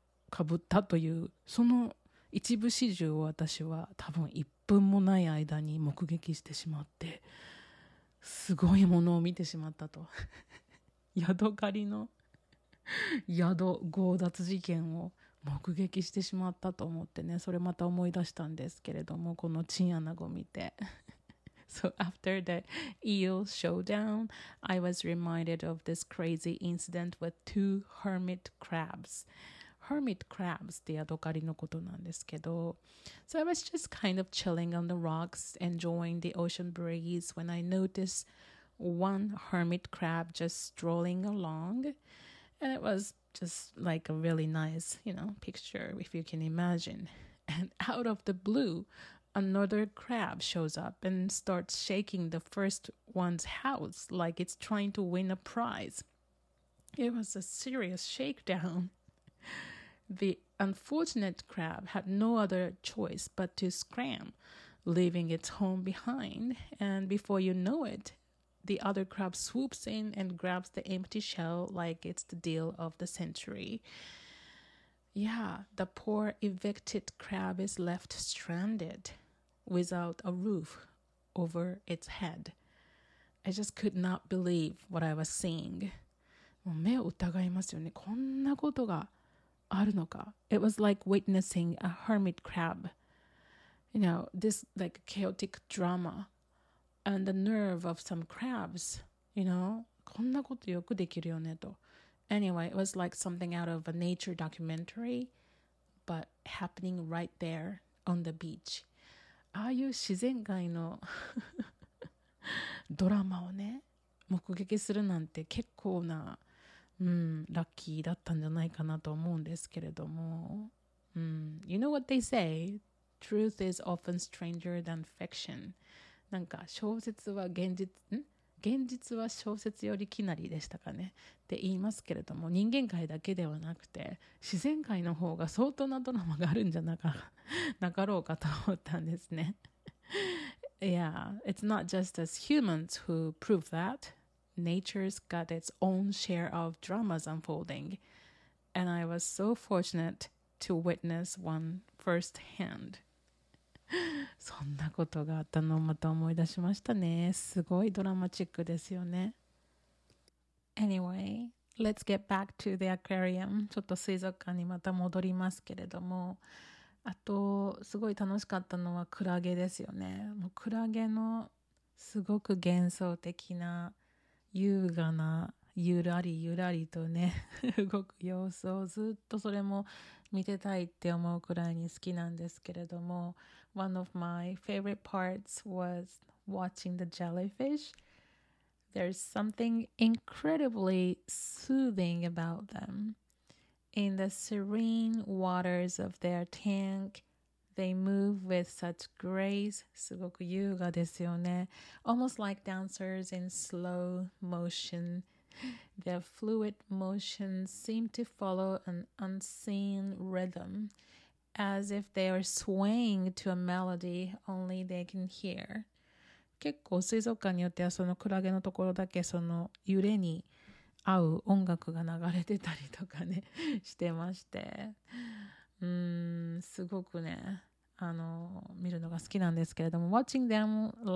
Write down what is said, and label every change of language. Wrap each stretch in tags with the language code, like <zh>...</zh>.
<ja>かぶったという、その一部始終を私は多分1分もない間に目撃してしまって、すごいものを見てしまったと宿狩りの宿強奪事件を目撃してしまったと思ってね、それまた思い出したんですけれども、このチンアナゴ見て</ja> <en>So after the eel showdown, I was reminded of this crazy incident with two hermit crabs. Hermit crabs</en> <ja>ってヤドカリのことなんですけど、</ja> <en>So I was just kind of chilling on the rocks, enjoying the ocean breeze when I noticed one hermit crab just strolling along. And it was just like a really nice, you know, picture, if you can imagine. And out of the blue,Another crab shows up and starts shaking the first one's house like it's trying to win a prize. It was a serious shakedown. The unfortunate crab had no other choice but to scram, leaving its home behind. And before you know it, the other crab swoops in and grabs the empty shell like it's the deal of the century. Yeah, the poor evicted crab is left stranded without a roof over its head. I just could not believe what I was seeing.</en> <ja>もう目を疑いますよね。こんなことがあるのか。</ja> <en>It was like witnessing a hermit crab. You know, this like chaotic drama and the nerve of some crabs. You know,</en> <ja>こんなことよくできるよねと。</ja> <en>Anyway, it was like something out of a nature documentary, but happening right there on the beach.</en> <ja>ああいう自然界のドラマをね、目撃するなんて結構な、うん、ラッキーだったんじゃないかなと思うんですけれども。</ja> <en>うん、you know what they say? Truth is often stranger than fiction.</en> <ja>なんか小説は現実…ん? 現実は小説よりきなりでしたかねって言いますけれども、人間界だけではなくて自然界の方が相当なドラマがあるんじゃなかろうかと思ったんですね。</ja> <en>Yeah, it's not just us humans who prove that. Nature's got its own share of dramas unfolding. And I was so fortunate to witness one firsthand.</en> <ja>そんなことがあったのをまた思い出しましたね。すごいドラマチックですよね。</ja> <en>Anyway, Let's get back to the aquarium.</en> <ja>ちょっと水族館にまた戻りますけれども、あとすごい楽しかったのはクラゲですよね。もうクラゲのすごく幻想的な優雅なゆらりゆらりとね動く様子をずっとそれも見てたいって思うくらいに好きなんですけれども、</ja> <en>One of my favorite parts was watching the jellyfish. There's something incredibly soothing about them. In the serene waters of their tank, they move with such grace.</en> <ja>すごく優雅ですよね。</ja> <en>Almost like dancers in slow motionTheir fluid motions seem to follow an unseen rhythm, as if they are swaying to a melody only they can hear.</en> <ja>結構水族館によってはそのクラゲのところだけその揺れに合う音楽が流れてたりとかねしてまして、すごくね見るのが好きなんですけれども、</ja> <en>Watching them</en>